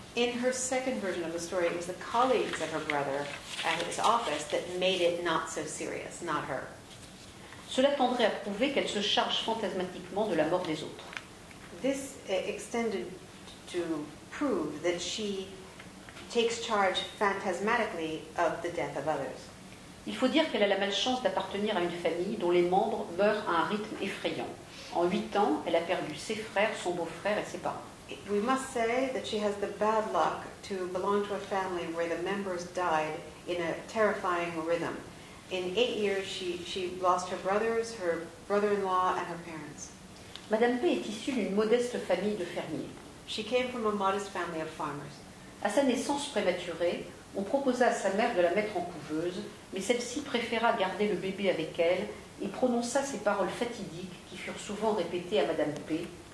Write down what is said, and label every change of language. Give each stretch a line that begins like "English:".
English: In her second version of the story, it was the colleagues of her brother at his office that made it not so serious, not her.
French: Cela tendrait à prouver qu'elle se charge fantasmatiquement de la mort des autres.
English: This extended to prove that she takes charge phantasmatically of the death of others.
French: Il faut dire qu'elle a la malchance d'appartenir à une famille dont les membres meurent à un rythme effrayant. En 8 ans, elle a perdu ses frères, son beau-frère et ses parents.
English: We must say that she has the bad luck to belong to a family where the members died in a terrifying rhythm. In 8 years, she lost her brothers, her brother-in-law, and her parents.
French: Madame P est issue d'une modeste famille de fermiers.
English: She came from a modest family of farmers.
French: À sa naissance prématurée, on proposa à sa mère de la mettre en couveuse, mais celle-ci préféra garder le bébé avec elle et prononça ces paroles fatidiques qui furent souvent répétées à Madame P.